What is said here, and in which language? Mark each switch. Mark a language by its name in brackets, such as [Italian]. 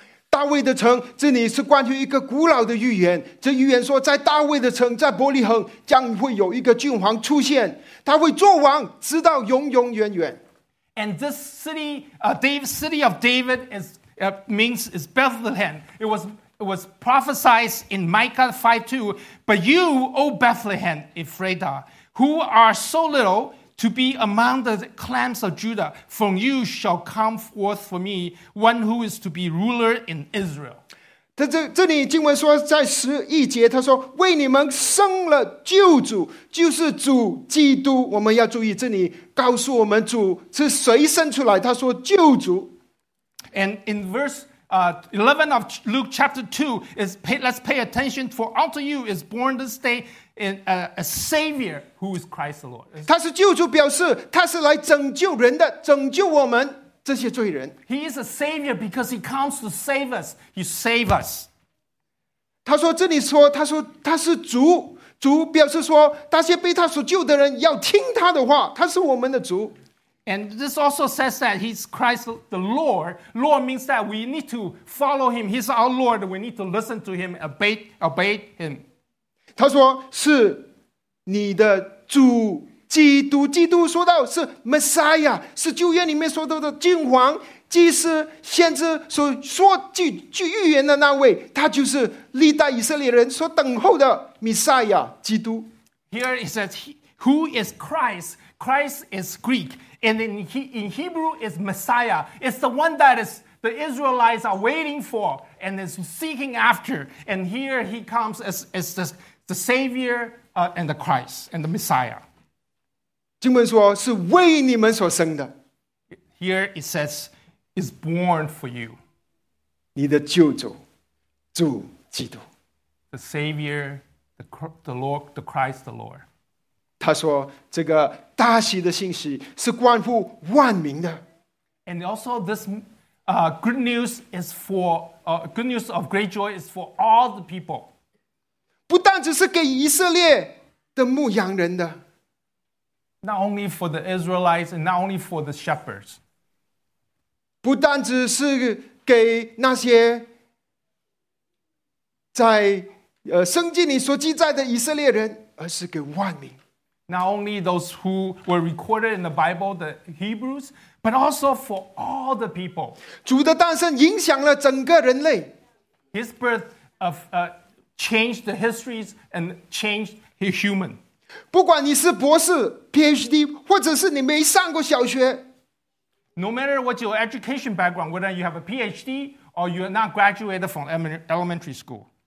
[Chinese] 大卫的城，这里是关于一个古老的预言。这预言说，在大卫的城，在伯利恒，将会有一个君王出现，他会做王，直到永永远远。 [English] And this city, city of David is Bethlehem. It was prophesied in Micah 5:2. But you, O Bethlehem Ephrathah, who are so little. To be among the clans of Judah, from you shall come forth for me one who is to be ruler in Israel. [Chinese] 这里经文说，在十一节，他说为你们生了救主，就是主基督。我们要注意，这里告诉我们主是谁生出来。他说救主。 [English] And in verse 11 of Luke chapter 2, let's pay attention. For unto you is born this day. A savior who is Christ the Lord. [Chinese] 他是救主，表示他是来拯救人的，拯救我们这些罪人。 [English] He is a savior because he comes to save us. He saves us. [Chinese] 他说这里说，他说他是主，主表示说那些被他所救的人要听他的话，他是我们的主。 [English] And this also says that he's Christ the Lord. Lord means that we need to follow him. He's our Lord. We need to listen to him, obey him. [Chinese] 他说是你的主基督，基督说到是 Messiah， 是旧约里面说到的君王、祭司、先知所说具预言的那位，他就是历代以色列人所等候的 Messiah 基督。 [English] Here it says, "Who is Christ? Christ is Greek, and in Hebrew is Messiah. It's the one that is the Israelites are waiting for and is seeking after. And here he comes as this." The Savior and the Christ and the Messiah. [Chinese] 经文说是为你们所生的。 [English] Here it says, "Is born for you." [Chinese] 你的救主，主基督。 [English] The Savior, the Lord, the Christ, the Lord. [Chinese] 他说这个大喜的信息是关乎万民的。 [English] And also this good news is for good news of great joy is for all the people. [Chinese] 不但只是给以色列的牧羊人的 [English] ，not only for the Israelites and not only for the shepherds， [Chinese] 不但只是给那些在圣经里所记载的以色列人，而是给万民。 [English] Not only those who were recorded in the Bible, the Hebrews, but also for all the people. [Chinese] 主的诞生影响了整个人类。 [English] His birth of, changed the histories and changed the human. [Chinese] 不管你是博士 PhD, 或者是你没上过小学。 [English] No matter what your education background, whether you have a PhD or you are not graduated from elementary school.